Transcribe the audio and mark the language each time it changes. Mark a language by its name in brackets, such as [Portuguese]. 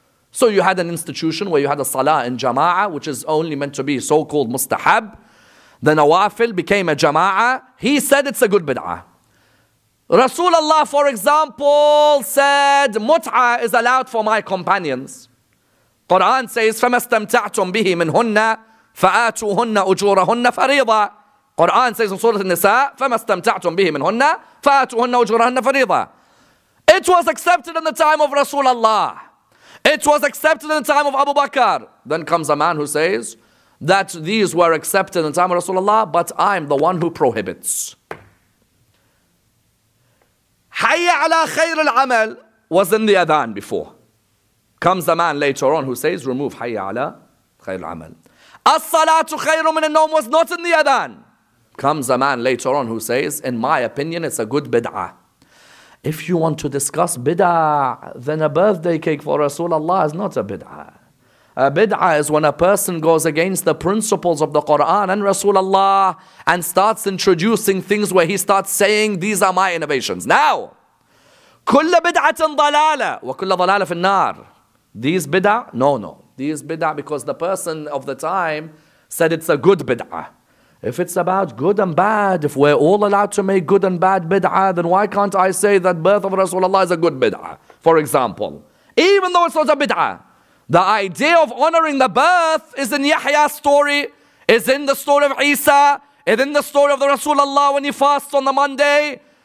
[English] So you had an institution where you had a salah in jama'ah, which is only meant to be so-called mustahab. The nawafil became a jama'ah. He said it's a good bid'ah. Rasulullah, for example, said, mut'a is allowed for my companions. Quran says, [Arabic] فَمَسْتَمْتَعْتُمْ بِهِ مِنْهُنَّ فَآتُوهُنَّ أُجُورَهُنَّ فَرِيضًا. [English] Quran says in Surah An-Nisa, [Arabic] فَمَسْتَمْتَعْتُمْ بِهِ مِنْهُنَّ فَآتُوهُنَّ أُجُورَهُنَّ فَرِيضًا. [English] It was accepted in the time of Rasulullah. It was accepted in the time of Abu Bakr. Then comes a man who says that these were accepted in the time of Rasulullah, but I'm the one who prohibits. Hayya ala khayr al-amal was in the adhan before. Comes a man later on who says, remove hayya ala khayr al-amal. As-salatu khayru min an-nawm was not in the adhan. Comes a man later on who says, in my opinion, it's a good bid'ah. If you want to discuss bid'ah, then a birthday cake for Rasulullah is not a bid'ah. A bid'ah is when a person goes against the principles of the Quran and Rasulullah and starts introducing things where he starts saying, these are my innovations. [Arabic] Now, كل بدعة ضلالة وكل ضلالة في النار. [English] These bid'ah? No, no. These bid'ah because the person of the time said it's a good bid'ah. If it's about good and bad, if we're all allowed to make good and bad bid'ah, then why can't I say that birth of Rasulullah is a good bid'ah? For example, even though it's not a bid'ah, the idea of honoring the birth is in Yahya's story, is in the story of Isa, is in the story of the Rasulullah when he fasts on the Monday.